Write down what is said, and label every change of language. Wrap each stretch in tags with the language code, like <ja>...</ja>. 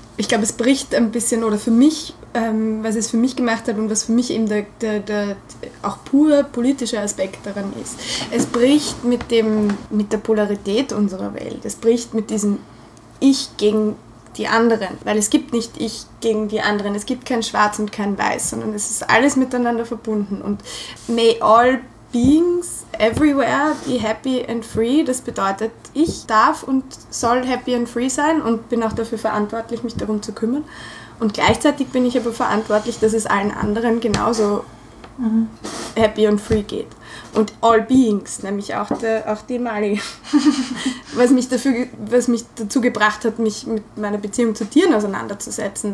<de>Ich glaube, es bricht ein bisschen, oder für mich, was es für mich gemacht hat und was für mich eben der auch pur politische Aspekt daran ist. Es bricht mit der Polarität unserer Welt. Es bricht mit diesem Ich gegen die anderen. Weil es gibt nicht Ich gegen die anderen. Es gibt kein Schwarz und kein Weiß, sondern es ist alles miteinander verbunden. Und</de> <en>may all Beings everywhere be happy and free.</en> <de>Das bedeutet, ich darf und soll</de> <en>happy and free</en> <de>sein und bin auch dafür verantwortlich, mich darum zu kümmern. Und gleichzeitig bin ich aber verantwortlich, dass es allen anderen genauso happy und free geht. Und</de> <en>all beings,</en> <de>nämlich auch die Mali, was mich dazu gebracht hat, mich mit meiner Beziehung zu Tieren auseinanderzusetzen.</de>